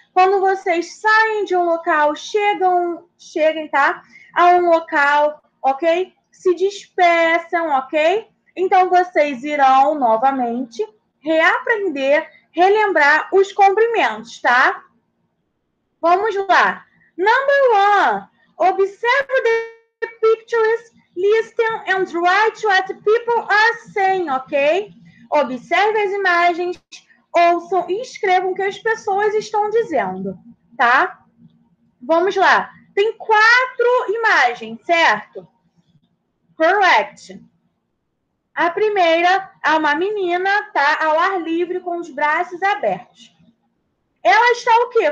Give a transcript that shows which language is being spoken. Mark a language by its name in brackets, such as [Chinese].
[Portuguese] Quando vocês saem de um local, chegam, tá? A um local, ok? Se dispersam, ok? Então, vocês irão novamente reaprender, relembrar os cumprimentos, tá? Vamos lá. [English] Number one. Observe the pictures, listen and write what people are saying, ok? [Portuguese] Observe as imagens, ouçam e escrevam o que as pessoas estão dizendo, tá? Vamos lá. Tem quatro imagens, certo? Correct. A primeira é uma menina, tá? Ao ar livre, com os braços abertos. Ela está o quê?